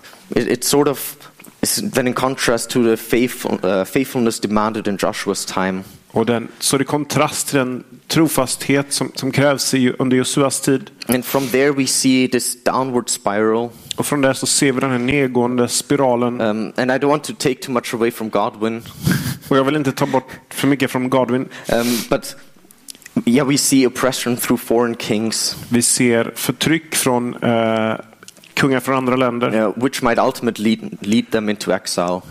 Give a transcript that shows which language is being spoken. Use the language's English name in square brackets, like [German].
[English] It's then in contrast to the faithfulness demanded in Joshua's time. [Swedish] Och den så det kontrast till den trofasthet som krävs under Josuas tid. [English] And from there we see this downward spiral. [Swedish] Och från där så ser vi den här nedgående spiralen. [English] And I don't want to take too much away from Godwin. [Swedish] Och jag vill inte ta bort för mycket från Godwin. [English] But yeah we see oppression through foreign kings. [Swedish] Vi ser förtryck från kungar från andra länder. [English] Yeah, which might ultimately lead them into exile.